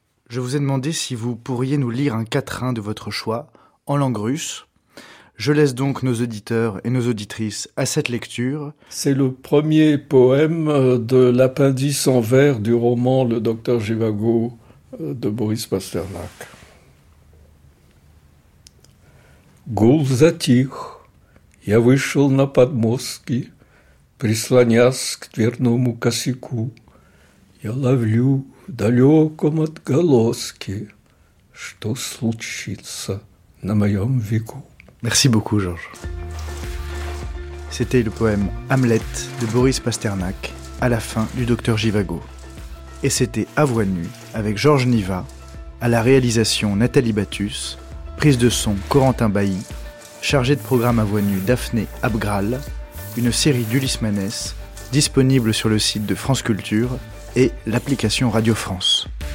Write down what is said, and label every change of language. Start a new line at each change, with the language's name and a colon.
French: Je vous ai demandé si vous pourriez nous lire un quatrain de votre choix en langue russe. Je laisse donc nos auditeurs et nos auditrices à cette lecture. C'est le premier poème de l'appendice en vers du roman Le docteur Jivago de Boris Pasternak.
Russian: Гул затих, я вышел на подмостки, прислонясь к дверному косяку. Я ловлю в далеком отголоски, что случится на моем веку.
French: Merci beaucoup, Georges. C'était le poème Hamlet de Boris Pasternak à la fin du Docteur Jivago. Et c'était À voix nue avec Georges Niva, à la réalisation Nathalie Battus, prise de son Corentin Bailly, chargé de programme À voix nue Daphné Abgral, une série d'Ulysse Manès, disponible sur le site de France Culture et l'application Radio France.